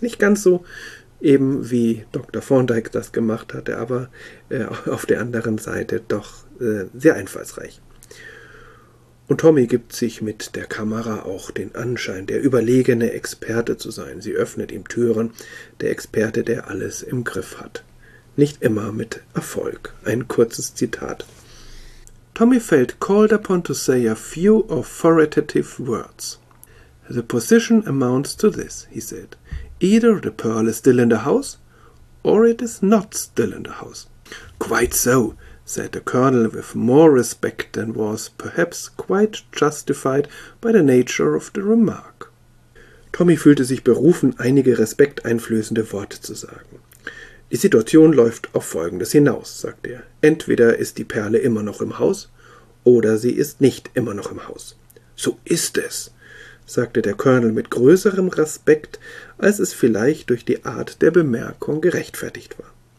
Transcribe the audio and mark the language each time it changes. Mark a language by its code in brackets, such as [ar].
[de] Nicht ganz so eben wie Dr. Thorndike das gemacht hatte, aber auf der anderen Seite doch sehr einfallsreich. Und Tommy gibt sich mit der Kamera auch den Anschein, der überlegene Experte zu sein. Sie öffnet ihm Türen, der Experte, der alles im Griff hat. Nicht immer mit Erfolg. Ein kurzes Zitat. [en] Tommy felt called upon to say a few authoritative words. The position amounts to this, he said. Either the pearl is still in the house, or it is not still in the house. Quite so, said the Colonel with more respect than was perhaps quite justified by the nature of the remark. [de] Tommy fühlte sich berufen, einige respekteinflößende Worte zu sagen. Die Situation läuft auf Folgendes hinaus, sagte er. Entweder ist die Perle immer noch im Haus, oder sie ist nicht immer noch im Haus. So ist es, sagte der Colonel mit größerem Respekt, als es vielleicht durch die Art der Bemerkung gerechtfertigt war.